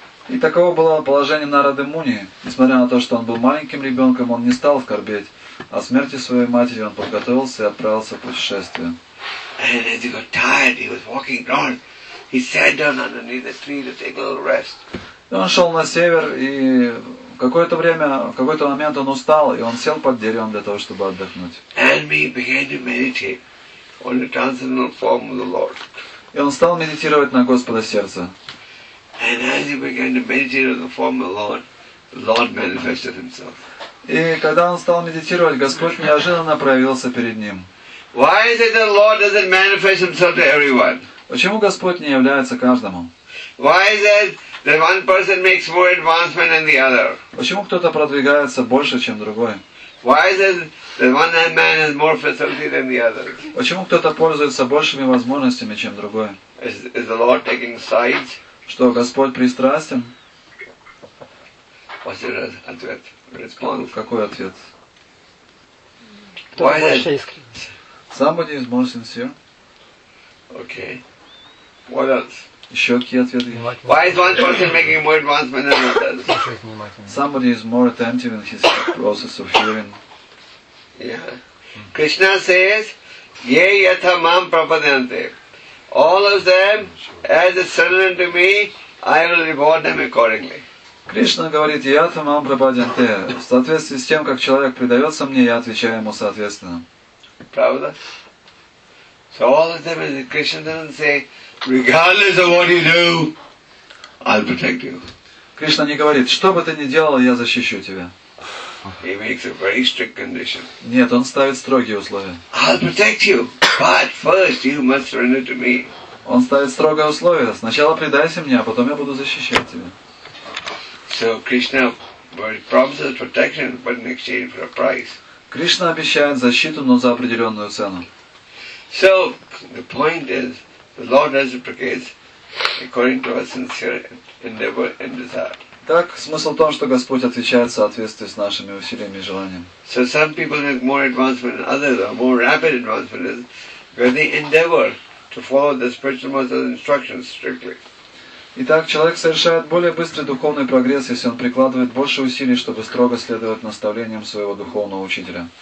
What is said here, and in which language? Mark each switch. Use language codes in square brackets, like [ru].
[ru] И таково было положение Нарады Муни. Несмотря на то, что он был маленьким ребенком, он не стал скорбеть о смерти своей матери, он подготовился и отправился в путешествие. [en] And as he got tired, he was walking north. He sat down underneath the tree to take a little rest. [ru] И он шел на север, и в какое-то время, в какой-то момент он устал, и он сел под деревом для того, чтобы отдохнуть. [en] And he began to meditate on the transcendental form of the Lord. [ru] И он стал медитировать на Господа сердца. [en] And as he began to meditate on the form of the Lord, the Lord manifested himself. [ru] И когда он стал медитировать, Господь неожиданно проявился перед ним. [en] Why is it the Lord doesn't manifest himself to everyone? [ru] Почему Господь не является каждому? [en] Why is it that one person makes more advancement than the other? [ru] Почему кто-то продвигается больше, чем другой? [en] Why is it that one man has more facility than the other? [ru] Почему кто-то пользуется большими возможностями, чем другой? [en] Is the Lord taking sides? [ru] Что, Господь пристрастен? [en] What's your ответ? Response. [ru] Какой ответ? Кто больше искренен? [en] Somebody is more sincere. Okay. What else? [ru] Еще какие ответы? [en] Why is one person making more advancement than others? Somebody is more attentive in his process of hearing. Yeah. Krishna says, [sa] Ye yatha mam prapadyante. [en] All of them, as a servant to me, I will reward them accordingly. [ru] Кришна говорит, [sa] Yatha mam prapadyante. [ru] В соответствии с тем, как человек предается мне, я отвечаю ему соответственно. Правда? [en] So all of them, Krishna doesn't say, Regardless of what you do, I'll protect you. [ru] Кришна не говорит, что бы ты ни делал, я защищу тебя. [en] He makes a very strict condition. [ru] Нет, он ставит строгие условия. [en] I'll protect you, but first you must surrender to me. [ru] Он ставит строгое условие. Сначала предайся мне, а потом я буду защищать тебя. [en] So Krishna promises protection, but in exchange for a price. [ru] Кришна обещает защиту, но за определенную цену. [en] So the point is. The Lord reciprocates according to our sincere endeavor and desire. [ru] Так, смысл в том, что Господь отвечает в соответствии с нашими усилиями и желанием. [en] So some people have more advancement than others, or more rapid advancement than others, they endeavor to follow the spiritual master's instructions strictly. [ru] Итак, человек совершает более быстрый духовный прогресс, если он прикладывает больше усилий, чтобы строго следовать наставлениям своего духовного учителя.